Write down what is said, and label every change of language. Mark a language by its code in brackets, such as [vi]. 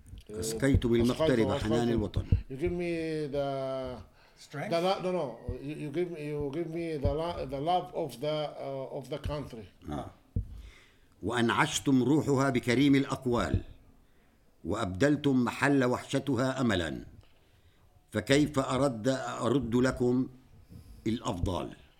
[ar] أسقيت بالمغتربة حنان الوطن. [en] You give me the strength. The, no, no. You give me the love of the country. [ar] وأنعشتم روحها بكريم الأقوال وأبدلتم محل وحشتها أملا فكيف أرد لكم الأفضال.